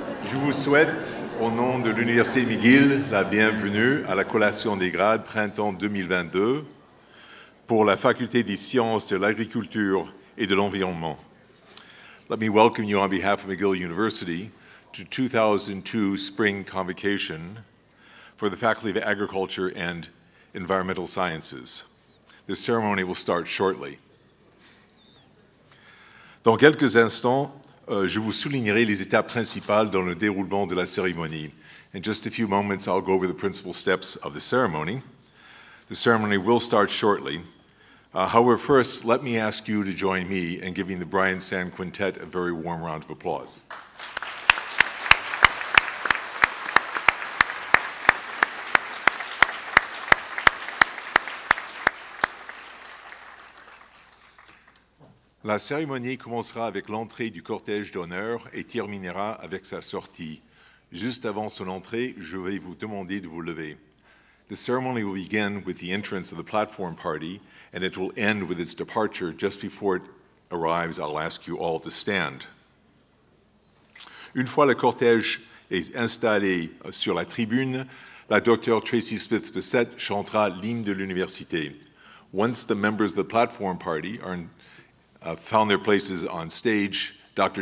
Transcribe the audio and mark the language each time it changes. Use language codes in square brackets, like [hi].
[fr] Je vous souhaite, au nom de l'Université McGill, la bienvenue à la collation des grades printemps 2022 pour la Faculté des sciences de l'agriculture et de l'environnement. [en] Let me welcome you on behalf of McGill University to 2002 Spring Convocation for the Faculty of Agriculture and Environmental Sciences. This ceremony will start shortly. [fr] Dans quelques instants, je vous soulignerai les étapes principales dans le déroulement de la cérémonie. [en] In just a few moments, I'll go over the principal steps of the ceremony. The ceremony will start shortly. However, first, let me ask you to join me in giving the Brian Sand Quintet a very warm round of applause. [fr] La cérémonie commencera avec l'entrée du cortège d'honneur et terminera avec sa sortie. Juste avant son entrée, je vais vous demander de vous lever. [en] The ceremony will begin with the entrance of the platform party, and it will end with its departure. Just before it arrives, I'll ask you all to stand. [fr] Une fois le cortège est installé sur la tribune, la Dr. Tracy Smith Bessette chantera l'hymne de l'université. [en] Once the members of the platform party are found their places on stage, Dr.